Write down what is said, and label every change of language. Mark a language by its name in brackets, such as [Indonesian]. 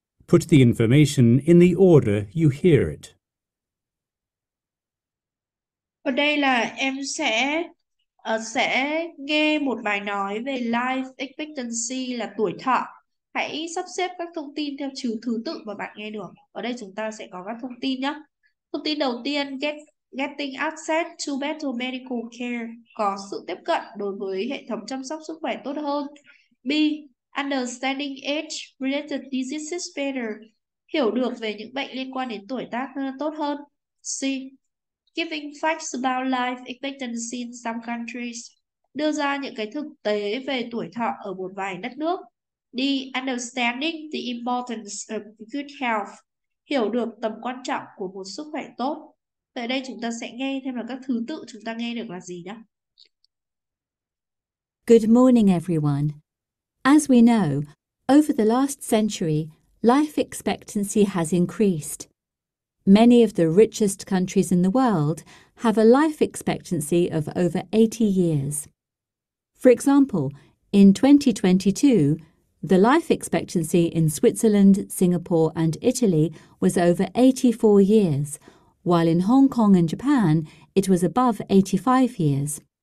[English] Put the information in the order you hear it. [Vietnamese] Ở đây là em sẽ nghe một bài nói về life expectancy là tuổi thọ. Hãy sắp xếp các thông tin theo thứ tự mà bạn nghe được. Ở đây chúng ta sẽ có các thông tin nhé. Thông tin đầu tiên, [English] getting access to better medical care, [Vietnamese] có sự tiếp cận đối với hệ thống chăm sóc sức khỏe tốt hơn. B, [English] understanding age related diseases better, [Vietnamese] hiểu được về những bệnh liên quan đến tuổi tác tốt hơn. C, [English] giving facts about life expectancy in some countries, [Vietnamese] đưa ra những cái thực tế về tuổi thọ ở một vài đất nước. D, [English] understanding the importance of good health, [Vietnamese] hiểu được tầm quan trọng của một sức khỏe tốt. Tại đây chúng ta sẽ nghe thêm là các thứ tự chúng ta nghe được là gì đó. [English] Good morning, everyone. As we know, over the last century, life expectancy has increased. Many of the richest countries in the world have a life expectancy of over 80 years. For example, in 2022, the life expectancy in Switzerland, Singapore, and Italy was over 84 years, while in Hong Kong and Japan, it was above 85 years.